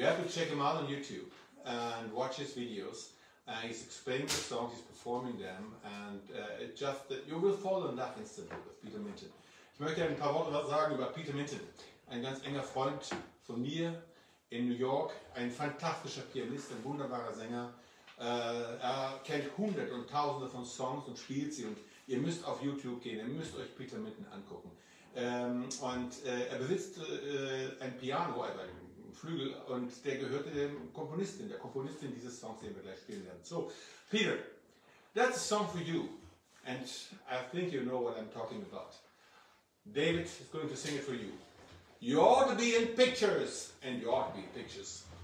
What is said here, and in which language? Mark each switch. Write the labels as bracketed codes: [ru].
[en] Check him out on YouTube and watch his videos. He's explaining the songs, he's performing them, and it just that you will fall in love instantly with Peter Minton. [de] Ich möchte ein paar Worte sagen über Peter Minton, ein ganz enger Freund von mir in New York, ein fantastischer Pianist, ein wunderbarer Sänger. Er kennt hunderte und tausende von Songs und spielt sie, und ihr müsst auf YouTube gehen, ihr müsst euch Peter Minton angucken. Er besitzt ein Piano, also ein Flügel, und der gehörte dem Komponisten, der Komponistin dieses Songs, den wir gleich spielen werden. [en] So, Peter, that's a song for you, and I think you know what I'm talking about. David is going to sing it for you. You ought to be in pictures, and you ought to be in pictures.